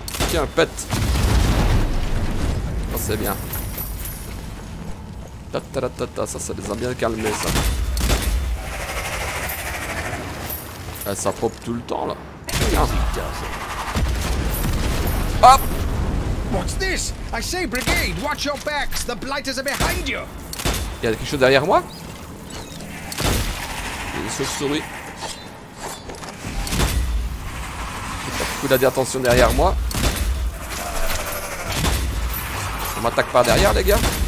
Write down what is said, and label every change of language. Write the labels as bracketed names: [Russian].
[French] Tiens, pète. Ça c'est bien. Ta-ta-ta-ta-ta. Ça les a bien calmés ça. Elle s'approche tout le temps là. Hop. [English] What's this? I say brigade, watch your backs. The blighters are behind you. [French] Il y a quelque chose derrière moi? Une chauve-souris. Il a dit attention derrière moi. On m'attaque par derrière les gars.